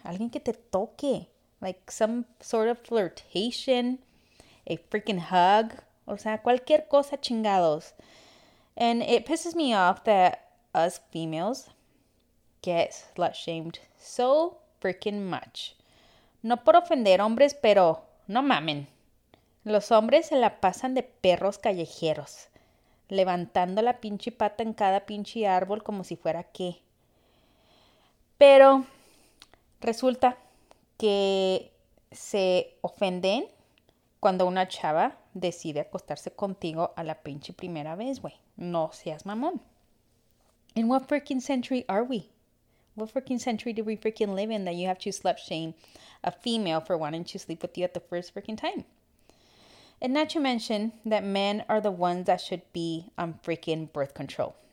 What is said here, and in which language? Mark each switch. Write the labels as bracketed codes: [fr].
[es] Alguien que te toque. [en] Like some sort of flirtation. A freaking hug. [es] O sea, cualquier cosa chingados. [en] And it pisses me off that us females get slut-shamed so freaking much. [es] No por ofender hombres, pero no mamen. Los hombres se la pasan de perros callejeros. Levantando la pinche pata en cada pinche árbol como si fuera qué. Pero resulta que se ofenden cuando una chava decide acostarse contigo a la pinche primera vez, güey. No seas mamón. [en] In what freaking century are we? What freaking century do we freaking live in that you have to slut shame a female for wanting to sleep with you at the first freaking time? And not to mention that men are the ones that should be on freaking birth control.